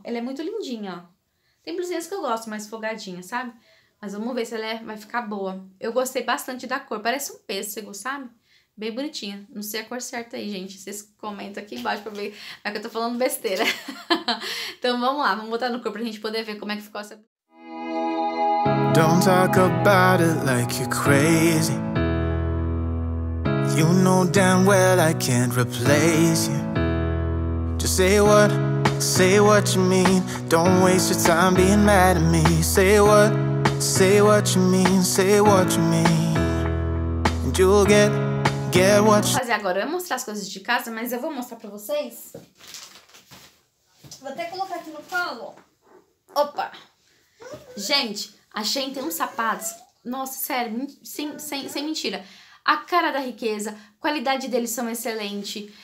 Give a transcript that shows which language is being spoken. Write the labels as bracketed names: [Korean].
[Portuguese] Ela é muito lindinha, ó. Tem blusinhas que eu gosto mais folgadinha, sabe? Mas vamos ver se ela vai ficar boa. Eu gostei bastante da cor, parece um pêssego, sabe? Bem bonitinha. Não sei a cor certa aí, gente. Vocês comentam aqui embaixo pra ver. É que eu tô falando besteira. Então vamos lá. Vamos botar no corpo pra gente poder ver como é que ficou essa... [English] Don't talk about it like you're crazy. You know damn well I can't replace you. Just say what you mean. Don't waste your time being mad at me. Say what you mean, say what you mean. And you'll get... [Portuguese] Vou fazer agora, eu ia mostrar as coisas de casa, mas eu vou mostrar pra vocês. Vou até colocar aqui no colo. Opa! Gente, a Shein tem uns sapatos. Nossa, sério, sem mentira. A cara da riqueza, qualidade deles são excelente.